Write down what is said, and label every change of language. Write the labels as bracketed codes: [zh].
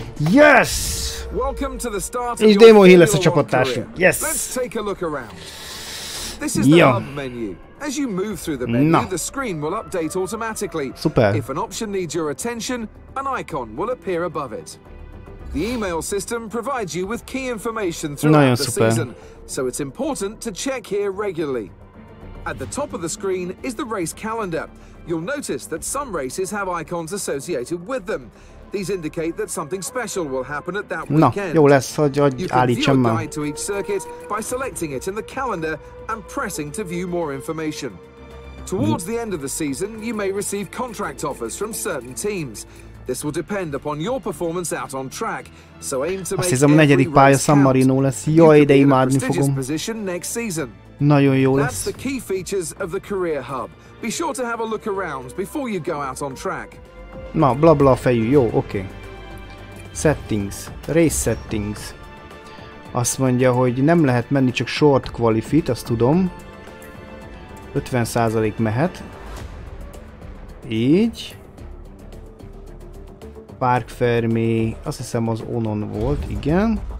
[en] Yes! Welcome to the start of Demon Hill [hu] lesz a csapattársunk. [en] Yes! Let's take a look around. This is the hub menu. As you move through the menu, the screen will update automatically. Super. If an option needs your attention, an icon will appear above it. The email system provides you with key information throughout the season, so it's important to check here regularly. At the top of the screen is the race calendar. You'll notice that some races have icons associated with them. These indicate that something special will happen at that weekend. [hu] Jó lesz, hogy állítsam már. [en] You can view a guide to each circuit by selecting it in the calendar and pressing to view more information. Towards the end of the season, you may receive contract offers from certain teams. This will depend upon your performance out on track, so aim to make [hu] a negyedik pálya San Marino lesz. Jaj, de imádni fogom. Nagyon jó lesz. [en] That's the key features of the career hub. Be sure to have a look around before you go out on track. [hu] Na, bla bla fejű, jó, oké. [en] Settings, race settings. [hu] Azt mondja, hogy nem lehet menni csak short qualifit, azt tudom. 50% mehet. Így. Park Fermi, azt hiszem az onon volt, igen.